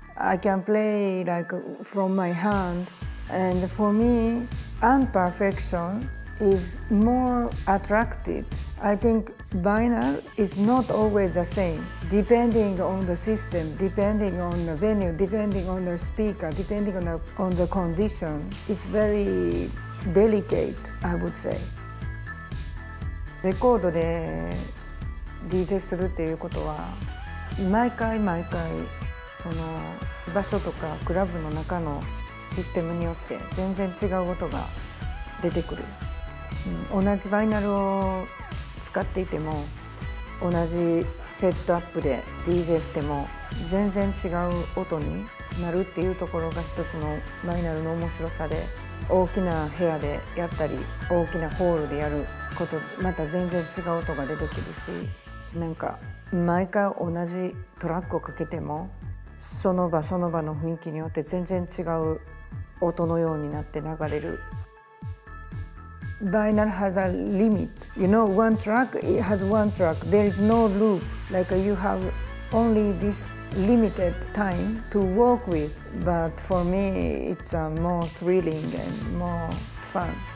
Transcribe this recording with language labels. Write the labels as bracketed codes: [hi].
[en] I can play like from my hand. And for me, imperfection is more attractive. I think vinyl is not always the same, depending on the system, depending on the venue, depending on the speaker, depending on the condition. It's very delicate, I would say. [ja] レコードで DJ するっていうことは毎回毎回その場所とかクラブの中のシステムによって全然違う音が出てくる、同じバイナルを使っていても同じセットアップで DJ しても全然違う音になるっていうところが一つのバイナルの面白さで、大きな部屋でやったり大きなホールでやることまた全然違う音が出てくるし、なんか毎回同じトラックをかけてもその場その場の雰囲気によって全然違う音のようになって流れる。 [en] Vinyl has a limit. You know, one track, it has one track. There is no loop. Like you have only this limited time to work with. But for me, it's more thrilling and more fun.